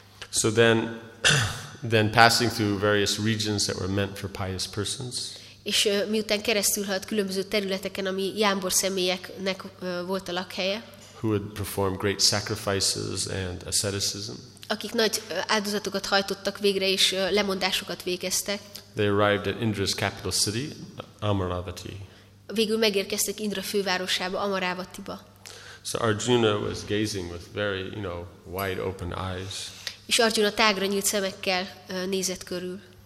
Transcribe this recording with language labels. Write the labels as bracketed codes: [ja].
[en] So then passing through various regions that were meant for pious persons. [hu] És miután keresztül halt különböző területeken, ami jámbor személyeknek volt a lakhelye. [en] Who would perform great sacrifices and asceticism. [hu] Akik nagy áldozatokat hajtottak végre és lemondásokat végeztek. [en] They arrived at Indra's capital city, Amaravati. [hu] Végül megérkeztek Indra fővárosába, Amaravatiba. [en] So Arjuna was gazing with very, you know, wide open eyes. [hu] És Arjuna tágra nyílt szemekkel nézett körül.